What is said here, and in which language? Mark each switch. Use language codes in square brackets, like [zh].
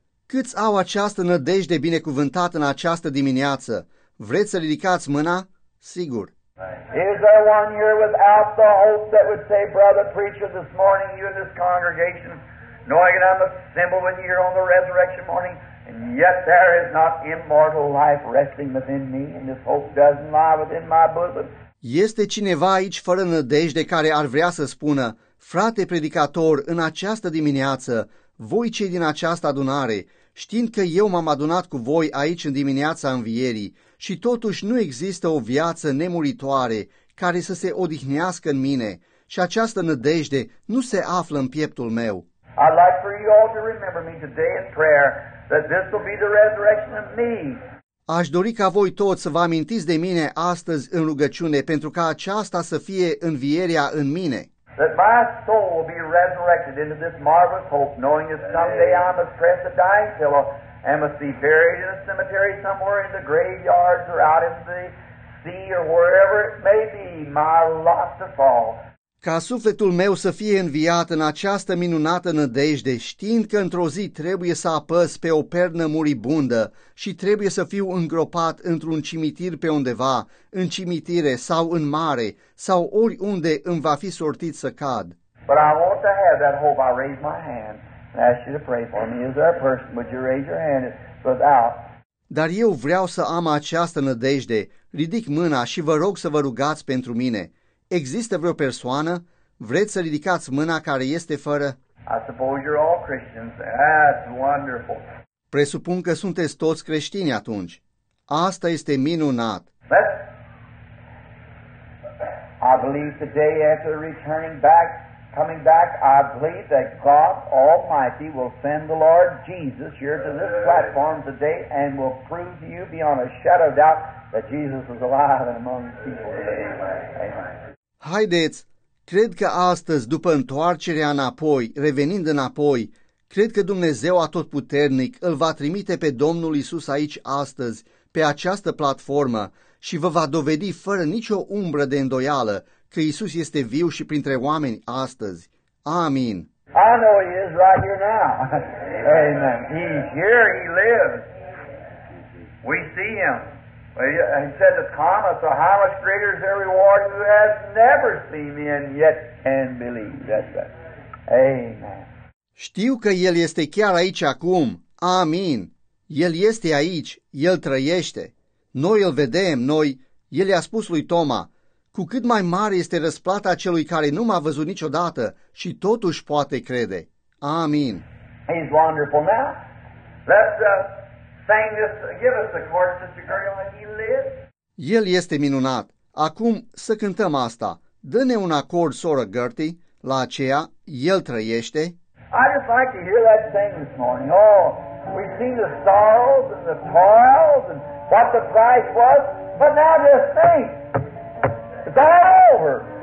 [ro] Câți au această nădejde binecuvântată în această dimineață? Vreți să ridicați mâna? Sigur. [en] Is there one here without the hope that would say, brother preacher, this morning you and this congregation, knowing that I'm assembled with you here on the resurrection morning, and yet there is not immortal life resting within me, and this hope doesn't lie within my bosom? [ro] Este cineva aici fără nădejde care ar vrea să spună: frate predicator, în această dimineață, voi cei din această adunare, știind că eu m-am adunat cu voi aici în dimineața învierii, și totuși nu există o viață nemuritoare care să se odihnească în mine, și această nădejde nu se află în pieptul meu. [en] I'd like for you all to remember me today in prayer that this will be the resurrection of me. [ro] Aș dori ca voi toți să vă amintiți de mine astăzi în rugăciune pentru ca aceasta să fie învierea în mine. [en] That my soul will be resurrected into this marvelous hope, knowing that someday I must press a dying pillow and must be buried in a cemetery somewhere in the graveyards or out in the sea or wherever it may be, my lot to fall. [ro] Ca sufletul meu să fie înviat în această minunată nădejde, știind că într-o zi trebuie să apăs pe o pernă muribundă și trebuie să fiu îngropat într-un cimitir pe undeva, în cimitire sau în mare, sau oriunde îmi va fi sortit să cad. [en] But I want to have that hope. I raise my hand and ask you to pray for me. Is there a person? Would you raise your hand without? [ro] Dar eu vreau să am această nădejde. Ridic mâna și vă rog să vă rugați pentru mine. Există vreo persoană? Vreți să ridicați mâna care este fără? [en] I suppose you're all Christians. That's wonderful. [ro] Presupun că sunteți toți creștini atunci. Asta este minunat. [en] I believe today after returning back coming back, I believe that God Almighty will send the Lord Jesus here to this platform today and will prove to you beyond a shadow of doubt that Jesus is alive and among the people today. Amen. [ro] Haideți! Cred că astăzi, după întoarcerea înapoi, revenind înapoi, cred că Dumnezeu Atotputernic îl va trimite pe Domnul Iisus aici astăzi, pe această platformă, și vă va dovedi fără nicio umbră de îndoială că Iisus este viu și printre oameni astăzi. Amin. [en] I know he is right here now. Amen. He's here, he lives. We see him. He said to Thomas, so how much greater is every reward who has never seen me and yet can believe. That's right. Amen. [ro] Știu că El este chiar aici acum. Amin. El este aici. El trăiește. Noi îl vedem, noi. El i-a spus lui Toma, cu cât mai mare este răsplata celui care nu m-a văzut niciodată și totuși poate crede. Amin. [en] He's wonderful now. Let's sing this, give us the chorus, Sister Gloria, he lives. [ro] El este minunat. Acum să cântăm asta. Dă-ne un acord, soră Gertie, la aceea, El trăiește. [en] I just like to hear that thing this morning. Oh, we see the sorrows and the toils and what the price was, but now just think, it's all over.